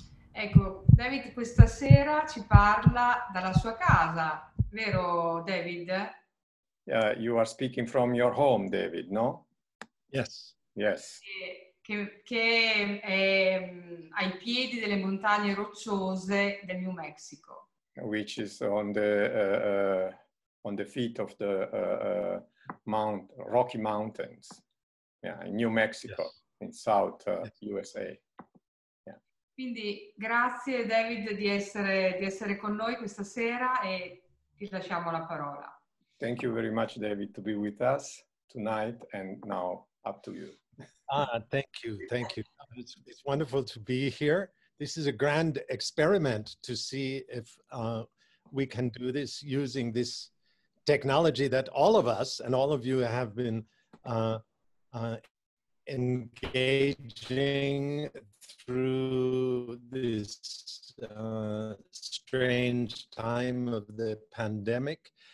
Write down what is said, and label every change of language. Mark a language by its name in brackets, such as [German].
[Italian] Ecco, David questa sera ci parla dalla sua casa, vero David? [English] You are speaking from your home, David, no? Yes. Yes. [Italian] Che è ai piedi delle montagne rocciose del New Mexico. [English] Which is on the feet of the Mount Rocky Mountains, yeah, in New Mexico, in South USA. [Italian] Quindi grazie David di essere con noi questa sera e ti lasciamo la parola. [English] Thank you very much, David, to be with us tonight, and now up to you. Thank you, thank you. It's wonderful to be here. This is a grand experiment to see if we can do this using this technology that all of us and all of you have been engaging through this strange time of the pandemic.